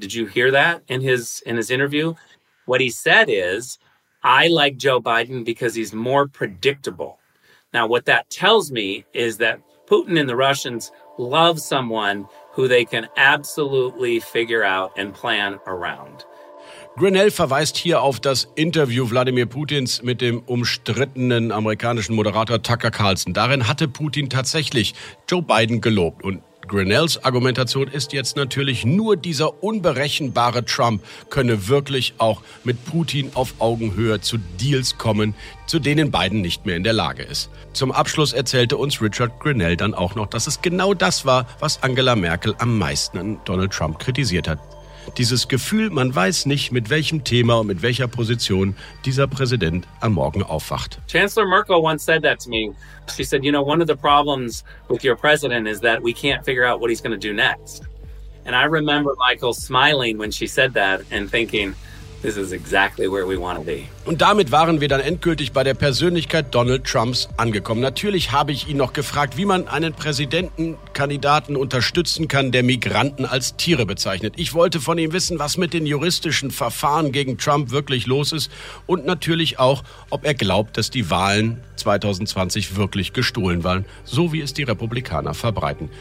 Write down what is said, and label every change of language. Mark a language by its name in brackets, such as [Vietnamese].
[English] Did you hear that in his interview? What he said is, I like Joe Biden because he's more predictable. Now, what that tells me is that Putin and the Russians love someone who they can absolutely figure out and plan around. [German] Grinnell verweist hier auf das Interview Wladimir Putins mit dem umstrittenen amerikanischen Moderator Tucker Carlson. Darin hatte Putin tatsächlich Joe Biden gelobt. Und Grinnells Argumentation ist jetzt natürlich, nur dieser unberechenbare Trump könne wirklich auch mit Putin auf Augenhöhe zu Deals kommen, zu denen Biden nicht mehr in der Lage ist. Zum Abschluss erzählte uns Richard Grinnell dann auch noch, dass es genau das war, was Angela Merkel am meisten an Donald Trump kritisiert hat. Dieses Gefühl, man weiß nicht, mit welchem Thema und mit welcher Position dieser Präsident am Morgen aufwacht. [English] Chancellor Merkel once said that to me. She said, you know, one of the problems with your president is that we can't figure out what he's going to do next. And I remember Michael smiling when she said that and thinking, this is exactly where we want to be. [German] Und damit waren wir dann endgültig bei der Persönlichkeit Donald Trumps angekommen. Natürlich habe ich ihn noch gefragt, wie man einen Präsidentenkandidaten unterstützen kann, der Migranten als Tiere bezeichnet. Ich wollte von ihm wissen, was mit den juristischen Verfahren gegen Trump wirklich los ist und natürlich auch, ob er glaubt, dass die Wahlen 2020 wirklich gestohlen waren, so wie es die Republikaner verbreiten.